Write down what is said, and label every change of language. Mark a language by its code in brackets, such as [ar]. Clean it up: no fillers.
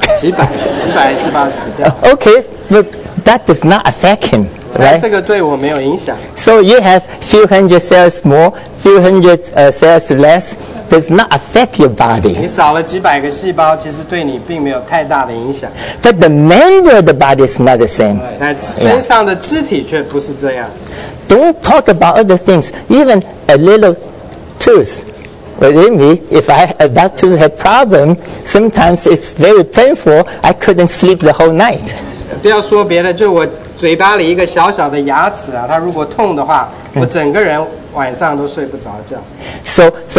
[zh] 如果打他这样一下，他好几个、几百个细胞就死掉。还不止一百个，几百个。几百个细胞死掉。 [en] Okay, but that does not affect him. Right? [zh] 这个对我没有影响。 [en] So you have few hundred cells more, few hundred cells less, does not affect your body. [zh] 你少了几百个细胞，其实对你并没有太大的影响。 [en] But the member of the body is not the same. [zh] 但身上的肢体却不是这样。 [en] Yeah. Don't talk about other things. Even a little tooth within me, if I that tooth had problem, sometimes it's very painful. I couldn't sleep the whole night. [zh] 不要说别的，就我。嘴巴里一个小小的牙齿啊，它如果痛的话，我整个人晚上都睡不着觉。 [en] So